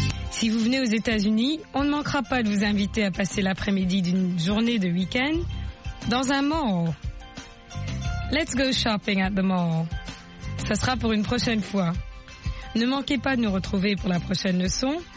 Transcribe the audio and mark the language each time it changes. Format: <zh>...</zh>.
<fr>Si vous venez aux États-Unis, on ne manquera pas de vous inviter à passer l'après-midi d'une journée de week-end dans un mall.</fr> <en>Let's go shopping at the mall.</en> <fr>Ça sera pour une prochaine fois. Ne manquez pas de nous retrouver pour la prochaine leçon.</fr>